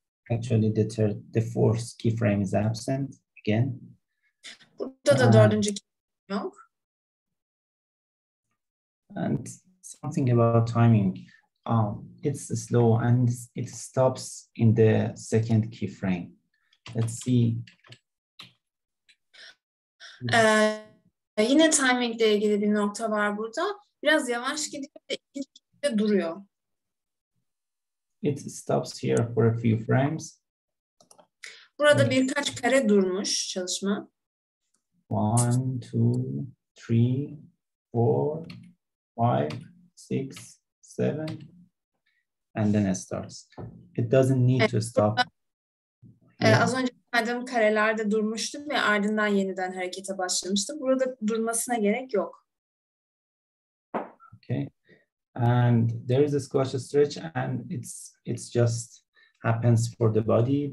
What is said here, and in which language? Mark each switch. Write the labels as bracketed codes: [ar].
[en] Actually the fourth keyframe is absent. Again. [tr] Burada da dördüncü keyframe yok. [en] And something about timing. It's slow and it stops in the second keyframe. Let's see. [tr] Yine timingle ilgili bir nokta var burada. Biraz yavaş gidiyor ve ikinci keyframe duruyor. [en] It stops here for a few frames. [tr] Burada birkaç kare durmuş çalışma. [en] One, two, three, four, five, six, seven, and then it starts. It doesn't need to stop. [tr] Az önce saydığım karelerde durmuştum ve ardından yeniden harekete başlamıştım. Burada durmasına gerek yok. [en] Okay. And there is a squash stretch, and it's just happens for the body.